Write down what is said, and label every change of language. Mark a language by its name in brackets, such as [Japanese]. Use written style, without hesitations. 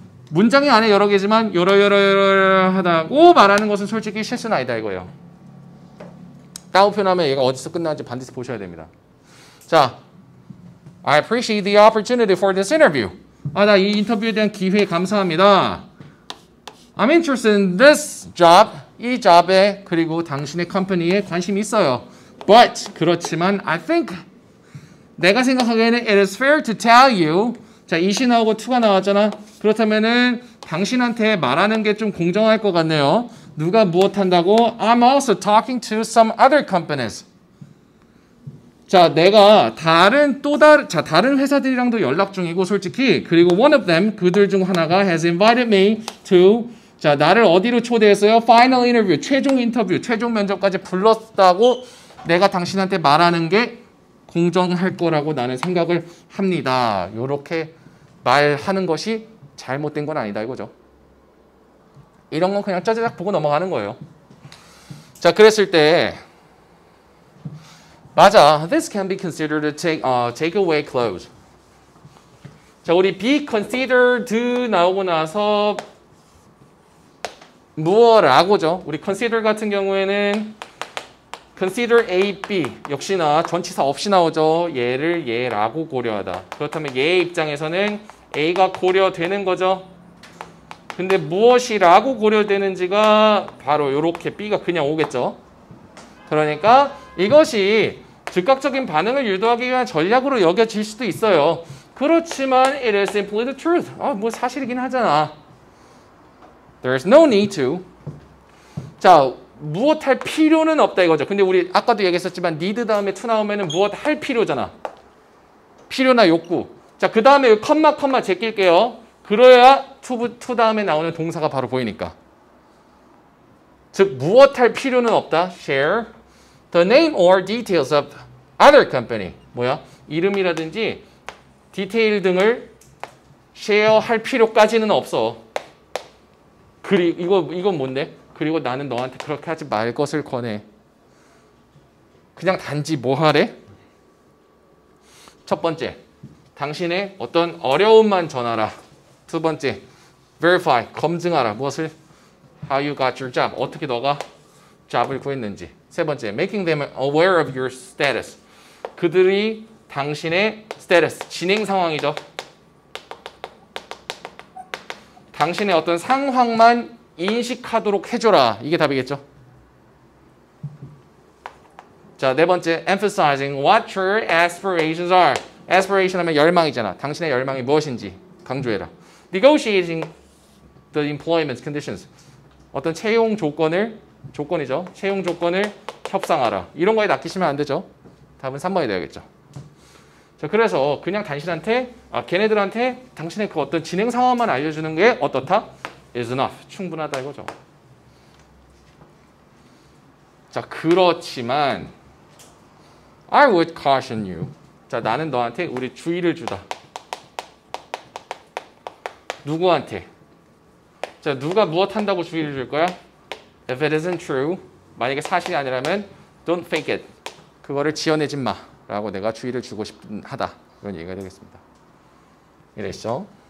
[Korean] 문장이 안에 여러 개지만 여러 하다고 말하는 것은 솔직히 실수는 아니다 이거예요. 따옴표 나오면 얘가 어디서 끝나는지 반드시 보셔야 됩니다. [English] 자, I appreciate the opportunity for this interview. [Korean] 아, 나 이 인터뷰에 대한 기회 감사합니다. [English] I'm interested in this job. [Korean] 이 잡에 그리고 당신의 컴퍼니에 관심이 있어요. [English] But [Korean] 그렇지만 [English] I think [Korean] 내가 생각하기에는 [English] it is fair to tell you. [Korean] 자, 이시 나오고 투가 나왔잖아. 그렇다면은 당신한테 말하는 게 좀 공정할 것 같네요. 누가 무엇 한다고? [English] I'm also talking to some other companies. [Korean] 자, 내가 다른 또 다른 자 다른 회사들이랑도 연락 중이고 솔직히 그리고 [English] one of them [Korean] 그들 중 하나가 [English] has invited me to [Korean] 자, 나를 어디로 초대했어요? [English] Final interview, [Korean] 최종 인터뷰, 최종 면접까지 불렀다고 내가 당신한테 말하는 게 공정할 거라고 나는 생각을 합니다. 이렇게 말하는 것이 잘못된 건 아니다 이거죠. 이런 건 그냥 짜자작 보고 넘어가는 거예요. 자, 그랬을 때 맞아. [English] This can be considered a takeaway clause. [Korean] 자, 우리 [English] be considered [Korean] 나오고 나서 무어라고죠. 우리 consider 같은 경우에는 consider A, B 역시나 전치사 없이 나오죠. 얘를 얘라고 고려하다. 그렇다면 얘의 입장에서는 A가 고려되는 거죠. 근데 무엇이라고 고려되는지가 바로 이렇게 B가 그냥 오겠죠. 그러니까 이것이 즉각적인 반응을 유도하기 위한 전략으로 여겨질 수도 있어요. [English] 그렇지만 it is simply the truth. [Korean] 뭐 사실이긴 하잖아. [English] There is no need to. [Korean] 자, 무엇 할 필요는 없다 이거죠. 근데 우리 아까도 얘기했었지만 need 다음에 to 나오면은 무엇 할 필요잖아. 필요나 욕구. 자, 그 다음에 컴마 컴마 제낄게요. 그래야 to 다음에 나오는 동사가 바로 보이니까. 즉, 무엇 할 필요는 없다. [English] Share the name or details of other company. [Korean] 뭐야? 이름이라든지 디테일 등을 share 할 필요까지는 없어. 그리고 이건 뭔데? 그리고 나는 너한테 그렇게 하지 말 것을 권해. 그냥 단지 뭐 하래? 첫 번째, 당신의 어떤 어려움만 전하라. 두 번째, verify, 검증하라. 무엇을? [English] How you got your job. [Korean] 어떻게 너가 job을 구했는지. [English] 세 번째, making them aware of your status. [Korean] 그들이 당신의 status, 진행 상황이죠. 당신의 어떤 상황만 인식하도록 해줘라. 이게 답이겠죠? [English] 자, 네 번째, emphasizing what your aspirations are. [Korean] aspiration 하면 열망이잖아. 당신의 열망이 무엇인지 강조해라. [English] negotiating the employment conditions. [Korean] 어떤 채용 조건을, 조건이죠. 채용 조건을 협상하라. 이런 거에 낚이시면 안 되죠. 답은 3번이 되어야겠죠. 자, 그래서 그냥 당신한테 걔네들한테 당신의 그 어떤 진행 상황만 알려주는 게 어떻다? [English] is enough. [Korean] 충분하다 이거죠. 자, 그렇지만 [English] I would caution you. [Korean] 자, 나는 너한테 우리 주의를 주다. 누구한테? 자, 누가 무엇 한다고 주의를 줄 거야? [English] If it isn't true. [Korean] 만약에 사실이 아니라면 [English] don't fake it. [Korean] 그거를 지어내지 마. 라고 내가 주의를 주고 싶다 하다. 이런 얘기가 되겠습니다. 이랬죠?